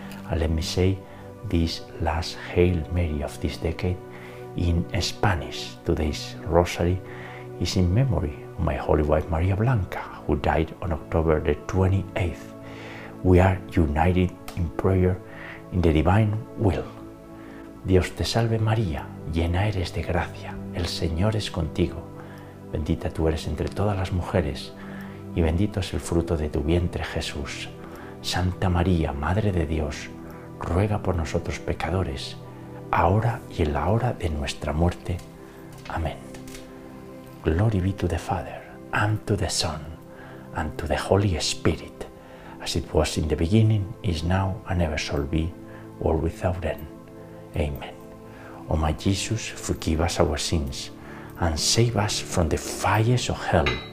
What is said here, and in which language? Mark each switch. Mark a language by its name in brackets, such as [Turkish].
[English] And let me say this last Hail Mary of this decade in Spanish. Today's Rosary is in memory of my holy wife Maria Blanca, who died on October the 28th. We are united in prayer in the divine will. [Spanish] Dios te salve María, llena eres de gracia, el Señor es contigo. Bendita tú eres entre todas las mujeres, y bendito es el fruto de tu vientre, Jesús. Santa María, Madre de Dios, ruega por nosotros pecadores, ahora y en la hora de nuestra muerte. Amén. [English] Glory be to the Father, and to the Son, and to the Holy Spirit, as it was in the beginning, is now, and ever shall be, world without end. Amen. O my Jesus, forgive us our sins, and save us from the fires of hell.